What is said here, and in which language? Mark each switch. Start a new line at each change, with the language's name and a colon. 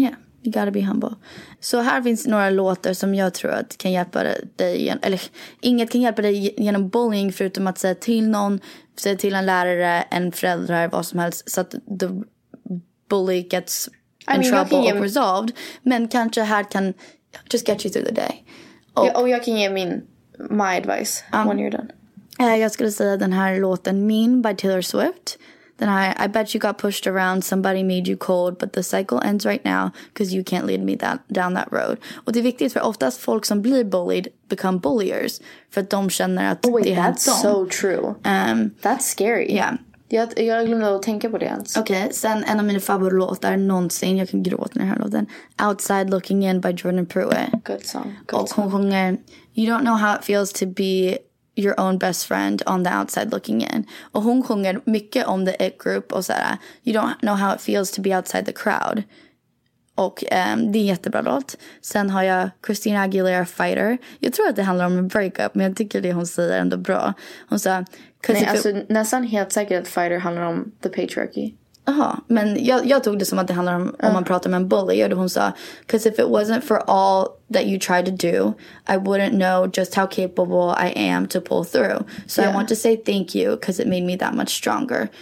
English: Yeah. You gotta be humble.
Swedish: Så här finns några låtar som jag tror att kan hjälpa dig igen. Eller inget kan hjälpa dig genom bullying förutom att säga till någon, säga till en lärare, en förälder, vad som helst, så att
English: the bully gets in trouble or resolved.
Swedish: Men kanske här kan
English: just get you through the day.
Swedish: Och jag kan ge
English: my advice when you're done.
Swedish: Jag skulle säga den här låten Mean by Taylor Swift.
English: Then I bet you got pushed around, somebody made you cold, but the cycle ends right now because you can't lead me down that road.
Swedish: Och det är viktigt, för oftast folk som blir bullied
English: become bulliers,
Swedish: för att de känner att
English: That's so true. That's scary. Yeah.
Swedish: Jag glömde att tänka på det ens. Okej, sen en av mina favoritlåtar någonsin, jag kan gråta när jag hör låten, Outside Looking In by Jordan Pruitt.
English: Good song.
Swedish: Och hon sjunger,
English: you don't know how it feels to be your own best friend on the outside looking in.
Swedish: Och hon sjunger mycket om the it group och så här,
English: you don't know how it feels to be outside the crowd.
Swedish: Och det är jättebra låt. Sen har jag Christina Aguilera, Fighter. Jag tror att det handlar om en breakup, men jag tycker det hon säger ändå bra. Hon sa, nästan helt säkert att Fighter handlar om the patriarchy. Jaha, men jag tog det som att det handlar om man pratar med en bully. Och hon sa,
English: because if it wasn't for all that you tried to do, I wouldn't know just how capable I am to pull through. So I want to say thank you, because it made me that much stronger.